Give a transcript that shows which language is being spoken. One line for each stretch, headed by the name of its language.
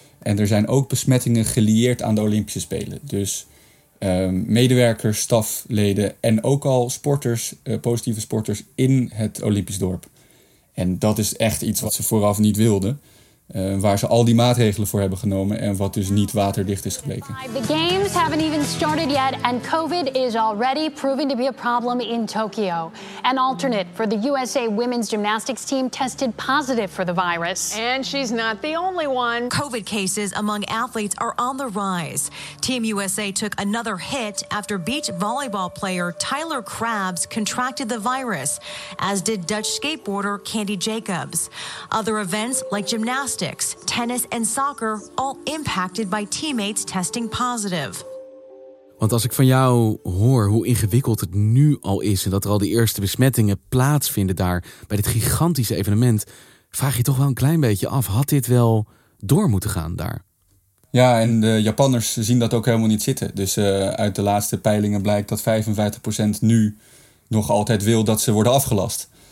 Dutch: En er zijn ook besmettingen gelieerd aan de Olympische Spelen. Dus medewerkers, stafleden en ook al sporters, positieve sporters in het Olympisch dorp. En dat is echt iets wat ze vooraf niet wilden. Waar ze al die maatregelen voor hebben genomen en wat dus niet waterdicht is gebleken.
English: The games haven't even started yet and COVID is already proving to be a problem in Tokyo. An alternate for the USA women's gymnastics team tested positive for the virus. And she's not the only one. COVID cases among athletes are on the rise. Team USA took another hit after beach volleyball player Tyler Krabs contracted the virus, as did Dutch skateboarder Candy Jacobs. Other events like gymnastics, tennis en soccer, all impacted by teammates testing positive.
Dutch: Want als ik van jou hoor hoe ingewikkeld het nu al is en dat er al de eerste besmettingen plaatsvinden daar bij dit gigantische evenement, vraag je toch wel een klein beetje af, had dit wel door moeten gaan daar? Ja, en de Japanners zien dat ook helemaal niet zitten. Dus uit de laatste peilingen blijkt dat 55% nu nog altijd wil dat ze worden afgelast.